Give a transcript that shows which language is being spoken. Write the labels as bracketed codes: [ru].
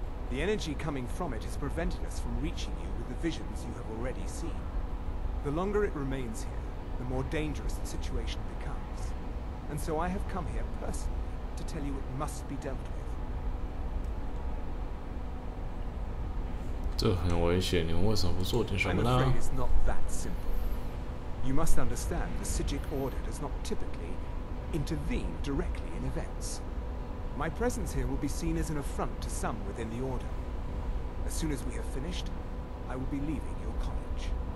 [en] The energy coming from it has prevented us from reaching you with the visions you have already seen. The longer it remains here, the more dangerous the situation becomes. And so I have come here personally to tell you it must be dealt with. [zh] 这很危险，你们为什么不做点什么呢? [en] I'm afraid it's not that simple. You must understand, the Psijic Order does not typically intervene directly in events. My presence here will be seen as an affront to some within the Order. As soon as we have finished, I will be leaving your college.